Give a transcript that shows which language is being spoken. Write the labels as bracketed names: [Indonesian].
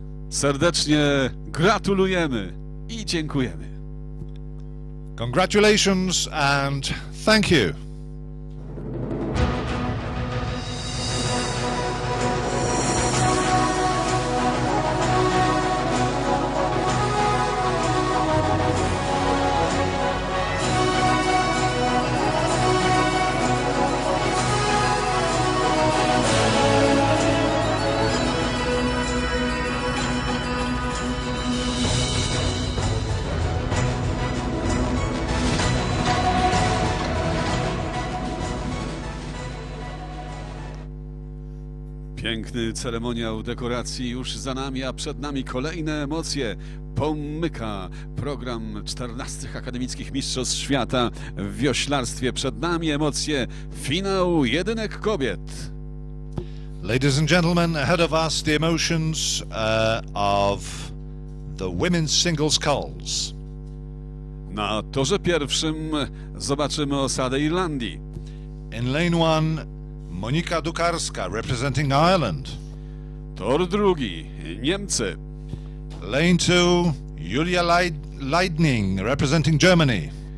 [Polish] Serdecznie gratulujemy i dziękujemy. [English] Congratulations and thank you. [Polish] Piękny ceremoniał dekoracji już za nami, a przed nami kolejne emocje. Pomyka program 14 Akademickich Mistrzostw Świata w wioślarstwie. Przed nami emocje, finał jedynek kobiet. [English] Ladies and gentlemen, ahead of us the emotions of the women's singles sculls. [Polish] Na torze pierwszym zobaczymy osadę Irlandii. [English] In lane one, Monika Dukarska, representing Ireland. [Polish] Tor drugi, Niemcy. [English] Lane two, Julia Lightning, representing Germany.